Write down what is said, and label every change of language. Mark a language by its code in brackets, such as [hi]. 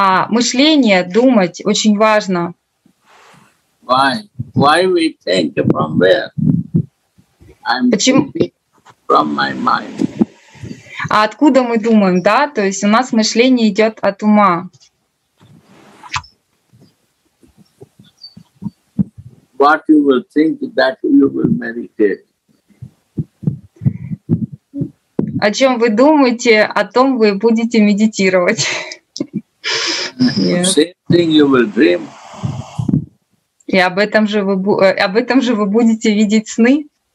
[ru] Мышление, думать очень важно. [en] Why? Why we think from where? I'm [ru] Почему? [en] From my mind. [ru] А откуда мы думаем, да? То есть у нас мышление идет от ума. [en] What you will think that you will meditate. [ru] о чем вы думаете, о том вы будете медитировать. [en] Yeah. Same thing you will dream. [ru] И об этом же вы будете видеть сны.